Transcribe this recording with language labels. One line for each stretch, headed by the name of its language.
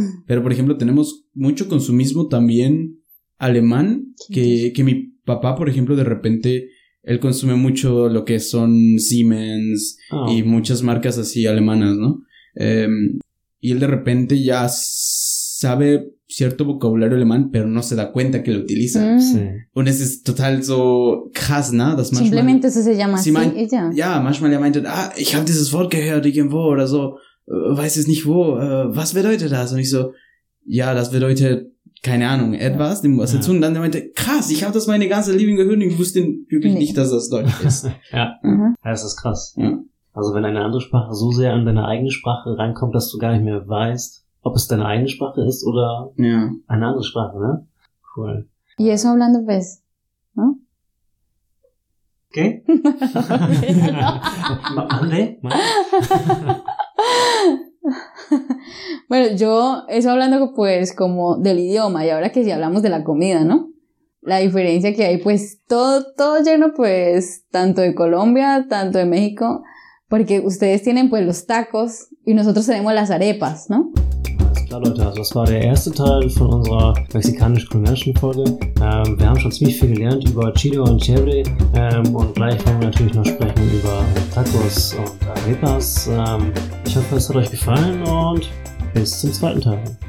Spanish: Pero, por ejemplo, tenemos mucho consumismo también alemán, que mi papá, por ejemplo, de repente, él consume mucho lo que son Siemens y muchas marcas así alemanas, ¿no? Y él de repente ya sabe cierto vocabulario alemán, pero no se da cuenta que lo utiliza. Mm. Sí.
German: Und es ist total so krass,
Spanish: ¿no?
German: Das
Spanish: simplemente
German: manchmal,
Spanish: eso se llama así, y ya.
German: Ja, manchmal er meinte, ich habe dieses Wort gehört irgendwo oder so, weiß es nicht wo, was bedeutet das? Und ich so, ja, das bedeutet, keine Ahnung, etwas, dem was dazu, und dann meinte, krass, ich habe das meine ganze Leben gehört und ich wusste wirklich nicht, dass das Deutsch ist. Ja. Ja, das ist krass. Ja. Also wenn eine andere Sprache so sehr an deine eigene Sprache reinkommt, dass du gar nicht mehr weißt, ob es deine eigene Sprache ist oder eine andere Sprache, ne?
English: Cool.
Spanish: Y eso hablando pues, ¿no? ¿Qué? ¿Mande? Bueno, yo eso hablando pues como del idioma y ahora que sí hablamos de la comida, ¿no? La diferencia que hay pues todo lleno pues tanto de Colombia, tanto de México, porque ustedes tienen pues los tacos y nosotros tenemos las arepas, ¿no?
German: Leute, also das war der erste Teil von unserer mexikanisch-kulinarischen Folge. Wir haben schon ziemlich viel gelernt über Chile und Chebre und gleich werden wir natürlich noch sprechen über Tacos und Arepas. Ich hoffe, es hat euch gefallen und bis zum zweiten Teil.